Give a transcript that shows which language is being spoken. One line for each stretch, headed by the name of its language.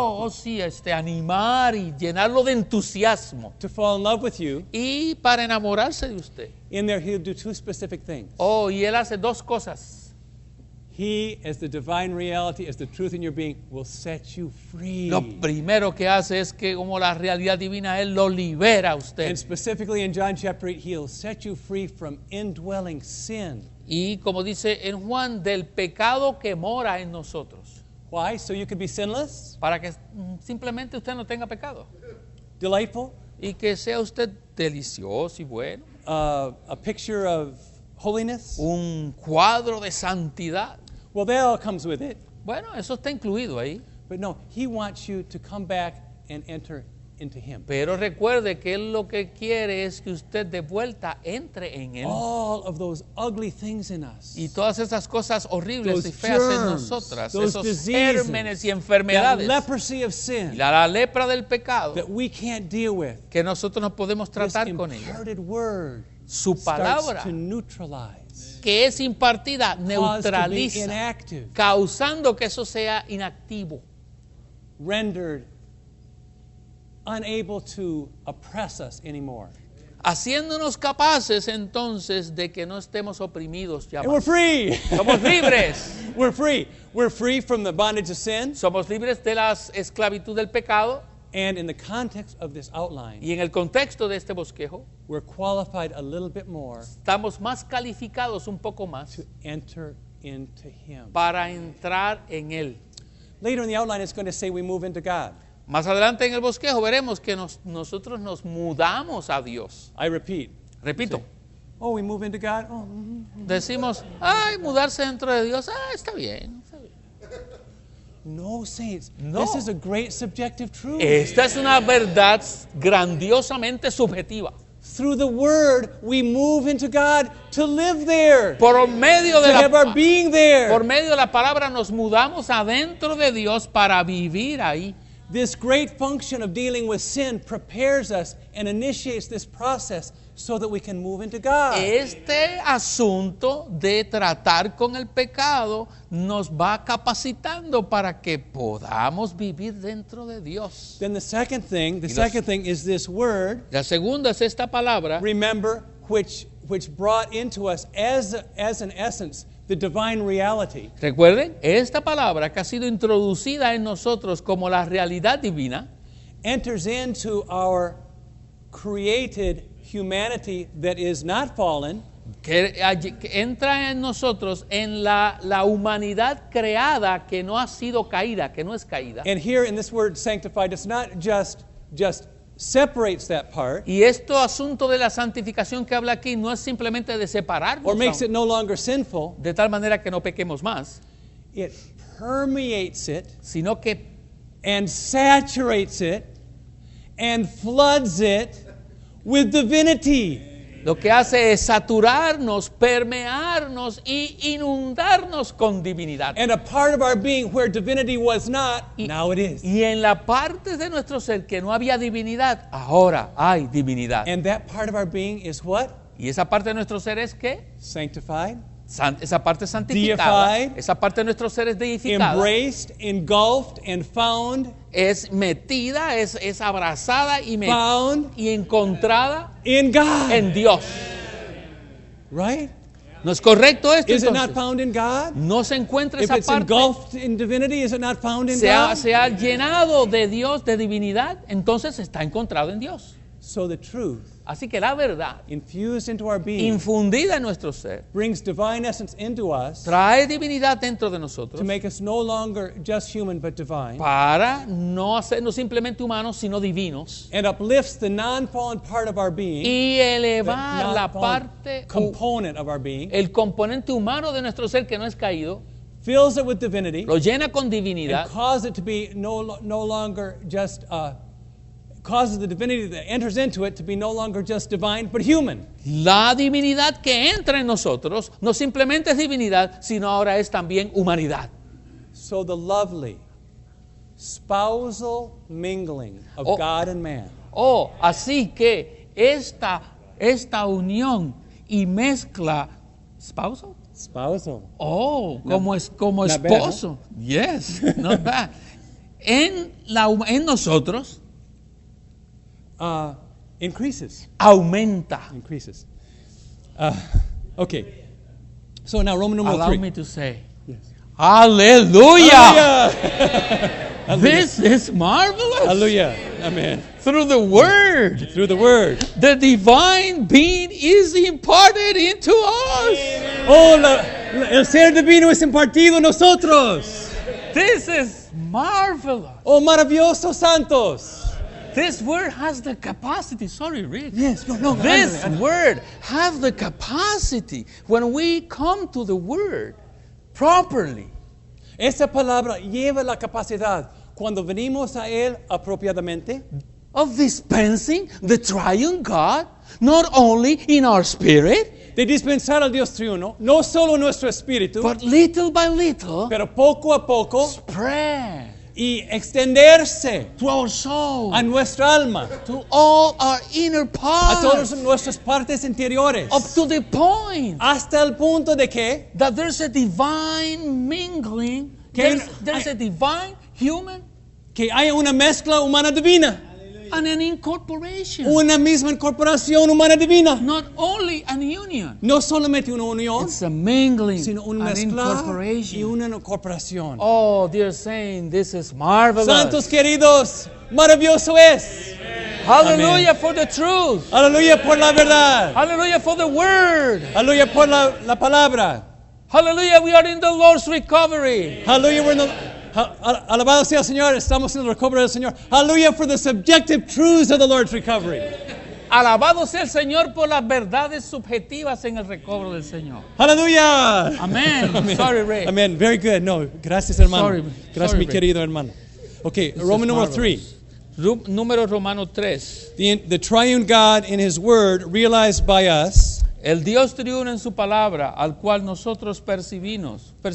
Spanish: Sí, animar y llenarlo de entusiasmo.
English: To fall in love with you.
Spanish: Y para enamorarse de usted.
English: In there he'll do two specific things.
Spanish: Y él hace dos cosas.
English: He, as the divine reality, as the truth in your being, will set you free.
Spanish: Lo primero que hace es que como la realidad divina, él lo libera a usted.
English: And specifically in John chapter 8, he'll set you free from indwelling sin.
Spanish: Y como dice en Juan, del pecado que mora en nosotros.
English: Why? So you could be sinless?
Spanish: Para que simplemente usted no tenga pecado.
English: Delightful?
Spanish: Y que sea usted delicioso y bueno.
English: A picture of holiness?
Spanish: Un cuadro de santidad.
English: Well, that all comes with it.
Spanish: Bueno, eso está incluido ahí.
English: But no, he wants you to come back and enter into him.
Spanish: Pero recuerde que él lo que quiere es que usted de vuelta entre en él.
English: All of those ugly things in us.
Spanish: Y todas esas cosas horribles
English: those
Spanish: y feas
English: germs,
Spanish: en nosotras,
English: those
Spanish: esos
English: diseases,
Spanish: gérmenes y enfermedades.
English: That leprosy of sin.
Spanish: Y la lepra del pecado.
English: That we can't deal with.
Spanish: Que nosotros no podemos tratar
English: this
Spanish: con ella.
English: Imparted word.
Spanish: Su palabra
English: starts to neutralize.
Spanish: Que es impartida neutraliza.
English: Caused to be inactive.
Spanish: Causando que eso sea inactivo.
English: Rendered unable to oppress us anymore.
Spanish: Haciéndonos capaces entonces de que no estemos oprimidos ya.
English: And we're free.
Spanish: Somos libres.
English: We're free. We're free from the bondage of sin.
Spanish: Somos libres de la esclavitud del pecado.
English: And in the context of this outline.
Spanish: Y en el contexto de este bosquejo.
English: We're qualified a little bit more.
Spanish: Estamos más calificados un poco más.
English: To enter into him.
Spanish: Para entrar en él.
English: Later in the outline it's going to say we move into God.
Spanish: Más adelante en el bosquejo veremos que nosotros nos mudamos a Dios.
English: I repeat.
Spanish: Repito.
English: Say, oh, we move into God. Oh, mm-hmm.
Spanish: Decimos, ay, mudarse dentro de Dios, ah, está bien.
English: No, saints.
Spanish: No.
English: This is a great subjective truth.
Spanish: Esta es una verdad grandiosamente subjetiva.
English: Through the word we move into God to live there.
Spanish: Por medio de
English: to have our being there.
Spanish: Por medio de la palabra nos mudamos adentro de Dios para vivir ahí.
English: This great function of dealing with sin prepares us and initiates this process so that we can move into God.
Spanish: Este asunto de tratar con el pecado nos va capacitando para que podamos vivir dentro de Dios.
English: Then the second thing is this word.
Spanish: La segunda es esta palabra.
English: Remember which brought into us as an essence the divine reality.
Spanish: Recuerden, esta palabra que ha sido introducida en nosotros como la realidad divina
English: enters into our created humanity that is not fallen.
Spanish: Que entra en nosotros en la humanidad creada que no ha sido caída, que no es caída.
English: And here in this word sanctified, it's not just separates that part.
Spanish: Y esto asunto de la santificación que habla aquí no es simplemente de separarnos.
English: Or makes it no longer sinful.
Spanish: De tal manera que no pequemos más.
English: It permeates it.
Spanish: Sino que
English: and saturates it and floods it with divinity.
Spanish: Lo que hace es saturarnos, permearnos y inundarnos con divinidad.
English: And a part of our being where divinity was not, now it is.
Spanish: Y en la parte de nuestro ser que no había divinidad, ahora hay divinidad.
English: And that part of our being is what?
Spanish: Y esa parte de nuestro ser es ¿qué?
English: Sanctified.
Spanish: Esa parte santificada.
English: Deified.
Spanish: Esa parte de nuestro ser es deificada.
English: Embraced, engulfed, and found.
Spanish: Es metida, es abrazada y
English: found
Spanish: y encontrada
English: in God.
Spanish: En Dios.
English: Right?
Spanish: ¿No es correcto esto?
English: Is it not found in God?
Spanish: ¿No se encuentra
English: if
Spanish: esa
English: it's
Spanish: parte?
English: Engulfed in divinity, is it not found in
Spanish: se
English: God?
Spanish: Se ha llenado de Dios, de divinidad, entonces está encontrado en Dios.
English: So the truth.
Spanish: Así que la verdad
English: infused into our being,
Spanish: infundida en nuestro ser
English: brings divine essence into us,
Spanish: trae divinidad dentro de nosotros
English: to make us no longer just human, but divine,
Spanish: para no hacernos simplemente humanos sino divinos
English: and uplifts the non-fallen part of our being,
Spanish: y elevar la parte
English: component of our being,
Spanish: el componente humano de nuestro ser que no es caído.
English: Fills it with divinity,
Spanish: lo llena con divinidad
English: and causes it to be no longer just a causes the divinity that enters into it to be no longer just divine, but human.
Spanish: La divinidad que entra en nosotros no simplemente es divinidad, sino ahora es también humanidad.
English: So the lovely spousal mingling of God and man.
Spanish: Oh, así que esta unión y mezcla spousal?
English: Spousal.
Spanish: Oh, not, como es como esposo.
English: Bad, huh? Yes, not bad.
Spanish: En nosotros
English: increases.
Spanish: Aumenta.
English: Increases. Okay. So now Roman numeral allow 3. Allow me to say. Yes. Hallelujah. Hallelujah. This is marvelous. Hallelujah. Amen. Through the word. Through the word. The divine being is imparted into us.
Spanish: Oh, el ser divino es impartido nosotros.
English: This is marvelous.
Spanish: Oh, maravilloso santos.
English: This word has the capacity. Sorry, Rick. Yes, no. This word has the capacity when we come to the word properly.
Spanish: Esa palabra lleva la capacidad cuando venimos a él apropiadamente,
English: of dispensing the triune God, not only in our spirit,
Spanish: de dispensar al Dios triuno, no solo nuestro espíritu,
English: but little by little,
Spanish: pero poco a poco,
English: spread,
Spanish: y extenderse
English: to our soul,
Spanish: a nuestra alma,
English: to all our inner parts,
Spanish: a todas nuestras partes interiores,
English: up to the point,
Spanish: hasta el punto de que,
English: that there's a divine mingling, there's a divine human,
Spanish: que haya una mezcla humana divina,
English: and an incorporation,
Spanish: una misma incorporación humana divina,
English: not only an union,
Spanish: no solamente una unión,
English: it's a mingling,
Spanish: sino una mezcla,
English: incorporation,
Spanish: y una incorporación.
English: Oh, dear saint, this is marvelous.
Spanish: Santos queridos, maravilloso es.
English: Hallelujah. Amen. For the truth.
Spanish: Hallelujah por la verdad.
English: Hallelujah for the word.
Spanish: Hallelujah por la palabra.
English: Hallelujah, we are in the Lord's recovery. Hallelujah, we're in the
Spanish: alabado sea el Señor, estamos en el recobro del Señor.
English: Hallelujah for the subjective truths of the Lord's recovery.
Spanish: Alabado sea el Señor por las verdades subjetivas en el recobro del Señor.
English: Hallelujah. Amen. Amen. Sorry, Ray. Amen. Very good. No,
Spanish: gracias, hermano.
English: Sorry.
Spanish: Gracias,
English: sorry,
Spanish: mi querido hermano. Okay,
English: this Roman number 3.
Spanish: Número Romano 3.
English: The triune God in his word realized by us.
Spanish: El Dios triuno en su palabra, al cual nosotros percibimos.